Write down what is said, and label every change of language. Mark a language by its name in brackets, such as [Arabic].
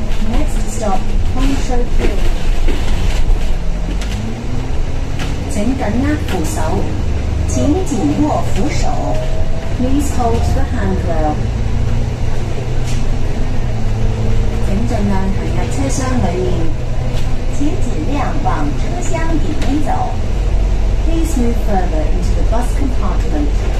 [English] Next stop， 丰收桥。 [Chinese] 请紧握扶手，请紧握扶手。 [English] Please hold the handrail。 [Chinese] 请尽量行入车厢里面，请尽量往车厢里面走。 [English] Please move further into the bus compartment。